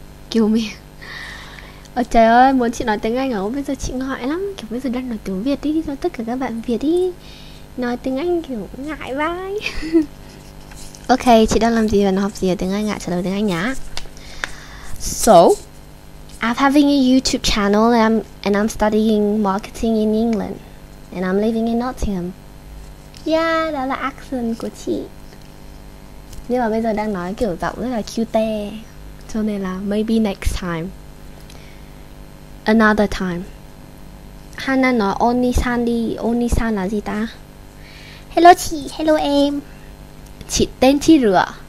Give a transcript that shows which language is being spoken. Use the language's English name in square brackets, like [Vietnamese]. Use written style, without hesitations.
[Vietnamese] Kiểu mình, ôi trời ơi, muốn chị nói tiếng Anh ở bây giờ chị ngại lắm, kiểu bây giờ đang nói tiếng Việt đi cho tất cả các bạn Việt đi, nói tiếng Anh kiểu ngại vai. Ok, chị đang làm gì và học gì ở tiếng Anh ạ? Trả lời tiếng Anh nhá. [English] So, I'm having a YouTube channel and I'm studying marketing in England and I'm living in Nottingham. [Vietnamese] Yeah, đó là accent của chị. Nhưng mà bây giờ đang nói kiểu giọng rất là cute, cho nên là [English] maybe next time, another time. [Vietnamese] Hana nói Onisan đi. Onisan là gì ta? Hello chị, hello em. Chị tên chi rửa?